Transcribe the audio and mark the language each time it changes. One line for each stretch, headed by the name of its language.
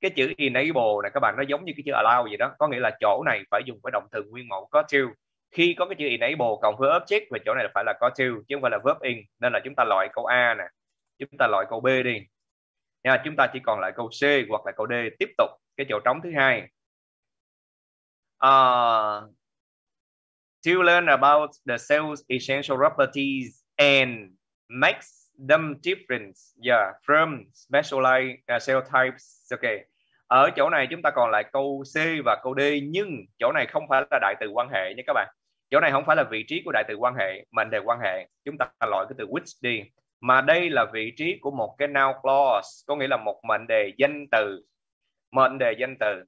Vietnamese: Cái chữ enable này các bạn nó giống như cái chữ allow vậy đó. Có nghĩa là chỗ này phải dùng cái động từ nguyên mẫu có to. Khi có cái chữ enable cộng với object và chỗ này là phải là có to chứ không phải là verb in. Nên là chúng ta loại câu A nè. Chúng ta loại câu B đi. Yeah, chúng ta chỉ còn lại câu C hoặc là câu D. Tiếp tục cái chỗ trống thứ hai.
English: To learn about the cell's essential properties and makes them different from specialized cell types. Okay.
Vietnamese: Ở chỗ này chúng ta còn lại câu C và câu D, nhưng chỗ này không phải là đại từ quan hệ nha các bạn. Chỗ này không phải là vị trí của đại từ quan hệ, mệnh đề quan hệ. Chúng ta loại cái từ which đi. Mà đây là vị trí của một cái noun clause, có nghĩa là một mệnh đề danh từ. Mệnh đề danh từ.